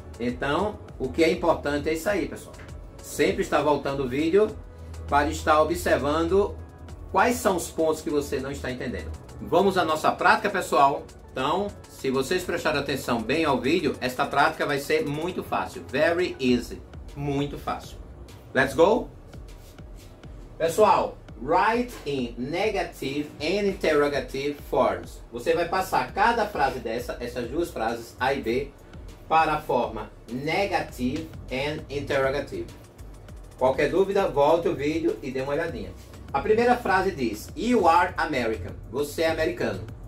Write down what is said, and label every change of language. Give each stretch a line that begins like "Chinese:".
Portuguese: Então, o que é importante é isso aí, pessoal. Sempre está voltando o vídeo para estar observando quais são os pontos que você não está entendendo. Vamos à nossa prática, pessoal. Então, se vocês prestarem atenção bem ao vídeo, esta prática vai ser muito fácil.
English: Very easy.
Portuguese: Muito fácil.
English: Let's go?
Portuguese: Pessoal,
English: write in negative and interrogative forms.
Portuguese: Você vai passar cada frase dessa, essas duas frases, A e B, para a forma
English: negative and interrogative.
Portuguese: Qualquer dúvida, volte o vídeo e dê uma olhadinha. A primeira frase diz,
English: You are American.
Portuguese: Você é americano.